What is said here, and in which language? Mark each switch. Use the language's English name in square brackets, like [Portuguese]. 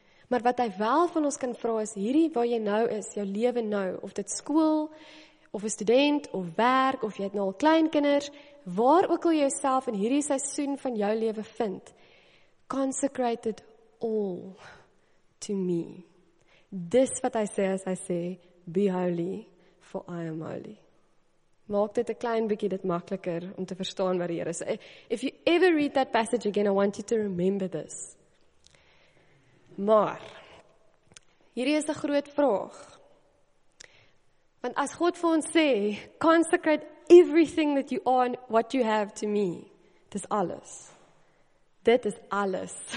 [Afrikaans] Maar wat hy wel van ons kan vra is, hierdie waar jy nou is, jou lewe nou, of dit skool, of 'n student, of werk, of jy het nou al kleinkinders, waar ook al jy jouself in hierdie seisoen van jou lewe vind, [English] consecrate it all to me. [Afrikaans] Dis wat hy sê as hy sê, [English] be holy, for I am holy. [Afrikaans] maak dit 'n klein bietjie dit makliker om te verstaan wat die Here sê. [English] If you ever read that passage again, I want you to remember this. [Afrikaans] Maar hierdie is 'n groot vraag. Want as God vir ons sê, [English] consecrate everything that you are and what you have to me. [Afrikaans] Dis alles. Dit is alles.